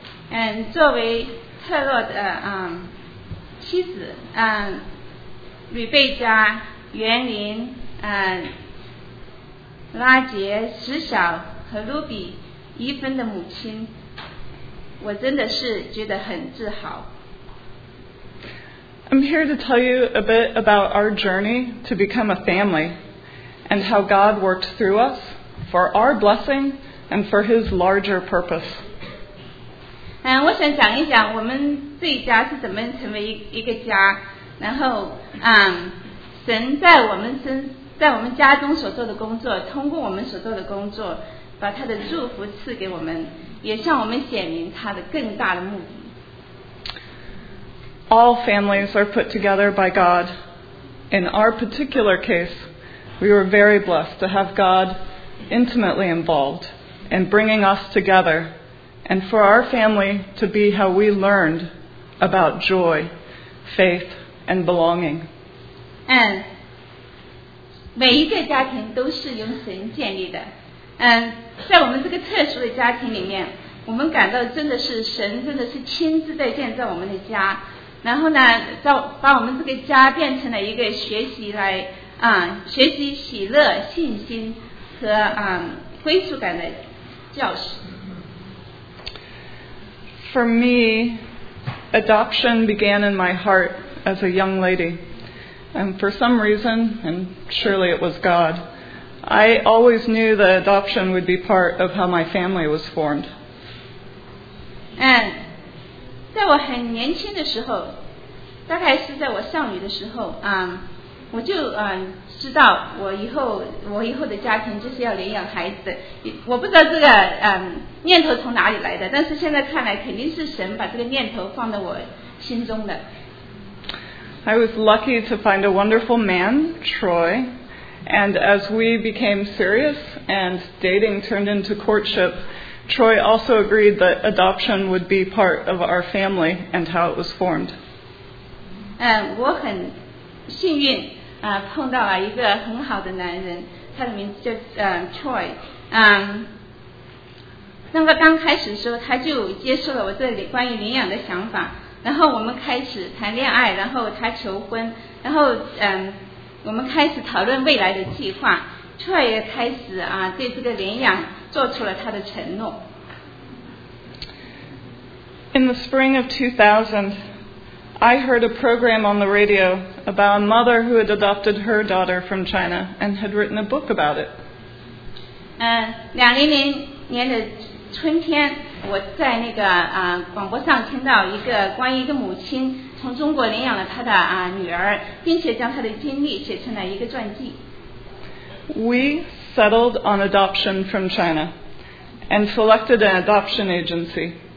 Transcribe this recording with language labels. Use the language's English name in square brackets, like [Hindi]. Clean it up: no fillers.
[English] And [Chinese] 作为特洛的妻子，吕贝佳、袁林、拉杰、石晓和 Ruby 伊芬的母亲，我真的是觉得很自豪。 [English] I'm here to tell you a bit about our journey to become a family and how God worked through us for our blessing and for His larger purpose. [Chinese] 我想讲一讲我们这一家是怎么成为一个家，然后神在我们家中所做的工作，通过我们所做的工作把他的祝福赐给我们，也向我们显明他的更大的目的。 [English] All families are put together by God. In our particular case, we were very blessed to have God intimately involved in bringing us together and for our family to be how we learned about joy, faith, and belonging. And [Chinese] 每一个家庭都是由神建立的。在我们这个特殊的家庭里面，我们感到真的是神真的是亲自在建造我们的家，然后呢把我们这个家变成了一个学习来学习喜乐信心和归属感的教室。 [English] For me, adoption began in my heart as a young lady. And for some reason, and surely it was God, I always knew that adoption would be part of how my family was formed. And [Chinese] 在我很年轻的时候，大概是在我少女的时候，我就知道我以后的家庭就是要领养孩子的。我不知道这个念头从哪里来的，但是现在看来肯定是神把这个念头放在我心中的。 [English] I was lucky to find a wonderful man, Troy, and as we became serious and dating turned into courtship, Troy also agreed that adoption would be part of our family and how it was formed. [Chinese] 我很幸运碰到了一个很好的男人，他的名字叫Troy。那个刚开始的时候，他就接受了我这里关于领养的想法，然后我们开始谈恋爱，然后他求婚，然后我们开始讨论未来的计划。 Troy 也开始对这个领养做出了他的承诺。 [English] In the spring of 2000, I heard a program on the radio about a mother who had adopted her daughter from China and had written a book about it. [Chinese] 2000年的春天，我在那个广播上听到一个关于一个母亲从中国领养了她的女儿，并且将她的经历写成了一个传记。 [English] We settled on adoption from China and selected an adoption agency.